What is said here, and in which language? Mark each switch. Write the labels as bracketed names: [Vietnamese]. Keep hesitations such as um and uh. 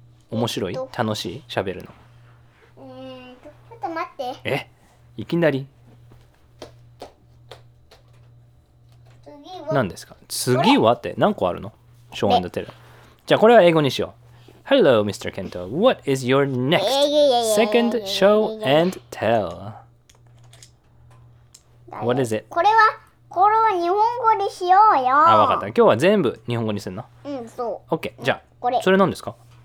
[Japanese] 面白い。えっと、楽しい。喋るの。う、え、ん、ー。ちょっと待って。え。いきなり。次は。何ですか。次はって、何個あるの。えっと、ショーンドテル。じゃあ、これは英語にしよう。 [English] Hello, Mr. Kento. What is your next second show and tell? What is it? [Japanese] これはこれは日本語でしようよ。あ、わかった。今日は全部日本語にするの。うん、そう。オッケー。じゃあ、これそれなんですか。